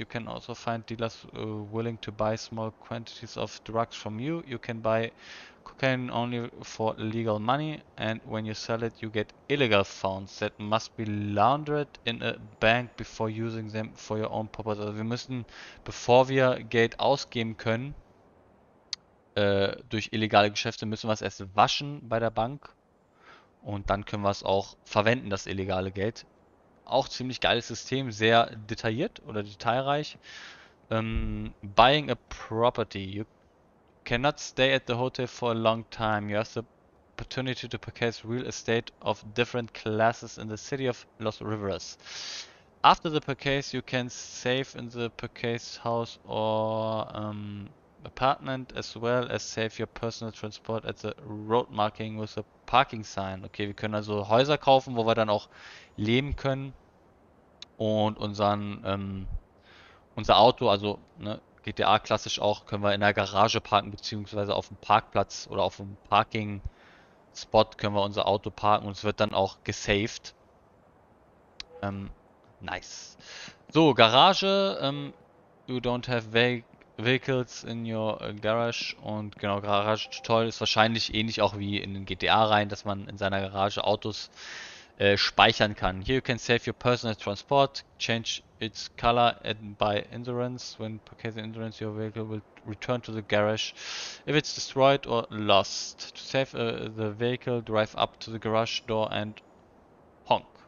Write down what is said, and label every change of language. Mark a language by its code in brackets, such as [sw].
[en] You can also find dealers willing to buy small quantities of drugs from you. You can buy cocaine only for legal money, and when you sell it, you get illegal funds that must be laundered in a bank before using them for your own purpose. [de] Also wir müssen, bevor wir Geld ausgeben können, durch illegale Geschäfte, müssen wir es erst waschen bei der Bank und dann können wir es auch verwenden, das illegale Geld. Auch ziemlich geiles System, sehr detailliert oder detailreich. [en] Buying a property. You cannot stay at the hotel for a long time. You have the opportunity to purchase real estate of different classes in the city of Los Rivers. After the purchase, you can save in the purchase house or apartment as well as save your personal transport at the road marking with a parking sign. [de] Okay, wir können also Häuser kaufen, wo wir dann auch leben können. Und unser Auto, also ne, GTA klassisch auch, können wir in der Garage parken, beziehungsweise auf dem Parkplatz oder auf dem Parking-Spot können wir unser Auto parken und es wird dann auch gesaved. [en] Nice. So, Garage. You don't have vehicles in your garage. [de] Und genau, Garage-Tutorial ist wahrscheinlich ähnlich auch wie in den GTA-Reihen, dass man in seiner Garage Autos speichern kann. [en] Here you can save your personal transport, change its color and buy insurance. When purchasing insurance, your vehicle will return to the garage if it's destroyed or lost. To save the vehicle, drive up to the garage door and honk.